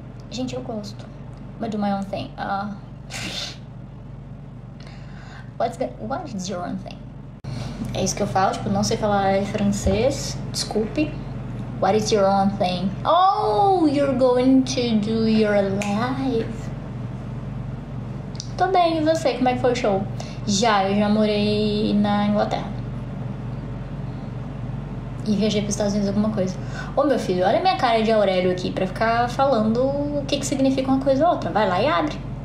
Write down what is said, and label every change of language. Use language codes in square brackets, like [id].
[pt] Gente, eu gosto. [en] But do my own thing. What is your own thing? [pt] É isso que eu falo, tipo, não sei falar francês. Desculpe. [en] What is your own thing? Oh, you're going to do your life. [pt] Tô bem, e você? Como é que foi o show? Já, eu já morei na Inglaterra. E viajei pros Estados Unidos alguma coisa. Ô, meu filho, olha a minha cara de Aurélio aqui pra ficar falando o que que significa uma coisa ou outra. Vai lá e abre.